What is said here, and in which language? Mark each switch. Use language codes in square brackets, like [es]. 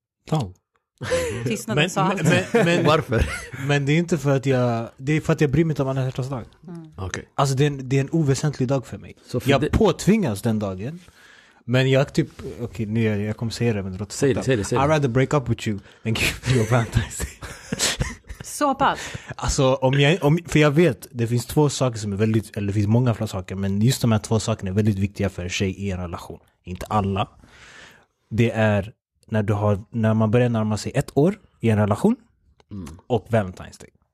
[sv] Ja. Men, men varför? Men det är inte för att jag, det är för att jag bryr mig om Alla hjärtans dag. Mm. Okay. Alltså det är en oväsentlig dag för mig. För jag påtvingas den dagen. Men jag typ, okej, nu jag kommer säga det, men låt säg det, säg det, säg det. [en] I'd rather break up with you than give you a Valentine's Day. [sv] Så pass. Alltså, för jag vet, det finns två saker som är väldigt, eller det finns många fler saker, men just de här två sakerna är väldigt viktiga för en tjej i en relation. Inte alla. Det är när man börjar närma sig ett år i en relation och Valentine's Day.